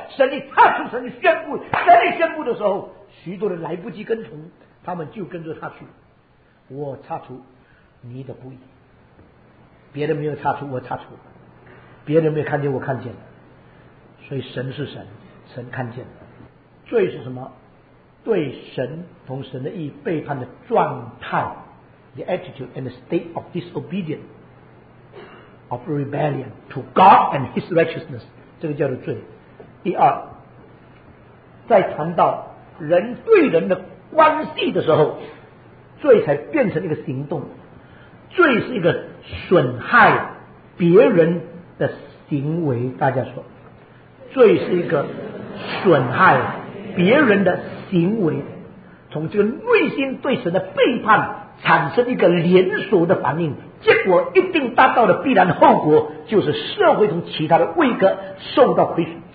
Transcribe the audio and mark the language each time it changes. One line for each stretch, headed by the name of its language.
Chinese: 神一擦出，神一宣布，神一宣布的时候，许多人来不及跟从，他们就跟着他去。我擦出你的不义，别人没有擦出，我擦出，别人没有看见，我看见了。所以神是神，神看见了。罪是什么？对神同神的意背叛的状态
English: The attitude and the state of disobedience of rebellion to God and His righteousness，
Chinese: 这个叫做罪。第二，在谈到人对人的关系的时候，罪才变成一个行动，罪是一个损害别人的行为。大家说罪是一个损害别人的行为，从这个内心对神的背叛产生一个连锁的反应，结果一定达到的必然后果就是社会同其他的位格受到亏损。